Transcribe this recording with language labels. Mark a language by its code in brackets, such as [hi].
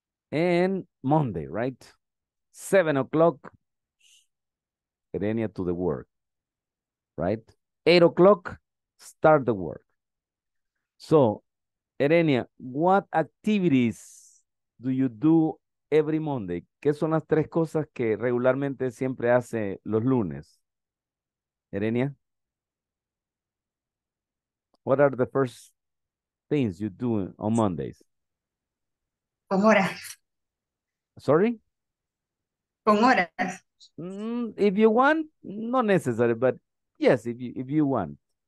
[en] And Monday, right? 7 o'clock, Erenia to the work, right? 8 o'clock, start the work. So, Erenia, what activities do you do every Monday? [es] ¿Qué son las tres cosas que regularmente siempre hace los lunes? Erenia? [en] What are the first things you do on Mondays? [es] Con hora. [en] Sorry? [es] Con horas. [en] If you want, not necessary, but yes, if you want.